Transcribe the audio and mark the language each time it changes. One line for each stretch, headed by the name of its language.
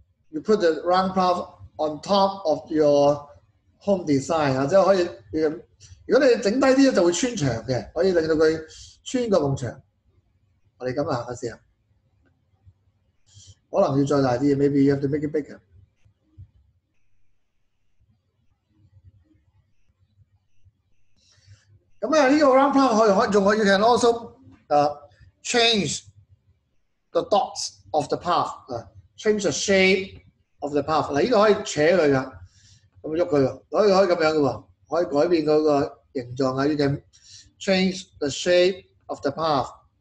English: You put the run path on top of your home design.
Cantonese: 啊，即係可以，如果你整低啲就會穿牆嘅，可以令到佢穿個夢牆。我哋咁行下先，可能要再大啲 ，
English: maybe you have to make it bigger.
Cantonese: 咁啊，呢個 run path 可以
English: you can also change the dots. Of the path, change the shape of the path.
Cantonese: 嗱，依個可以扯佢噶，咁喐佢，可以咁樣噶喎，可以改變嗰個形狀啊。
English: You can change the shape of the path.